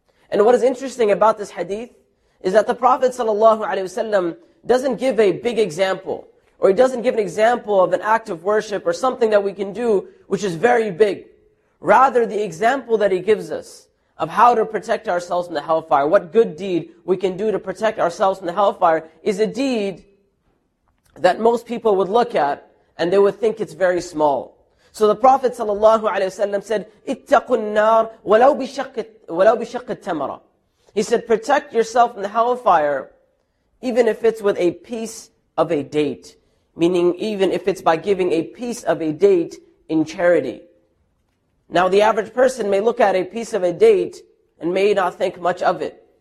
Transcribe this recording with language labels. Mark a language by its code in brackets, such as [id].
[en] And what is interesting about this hadith is that the Prophet ﷺ doesn't give a big example, or he doesn't give an example of an act of worship or something that we can do which is very big. Rather, the example that he gives us of how to protect ourselves from the hellfire, what good deed we can do to protect ourselves from the hellfire, is a deed that most people would look at and they would think it's very small. So the Prophet ﷺ said, [ar] اتقوا النار ولو بشق التمرة. [en] He said, protect yourself from the hellfire, even if it's with a piece of a date. Meaning, even if it's by giving a piece of a date in charity. Now the average person may look at a piece of a date and may not think much of it.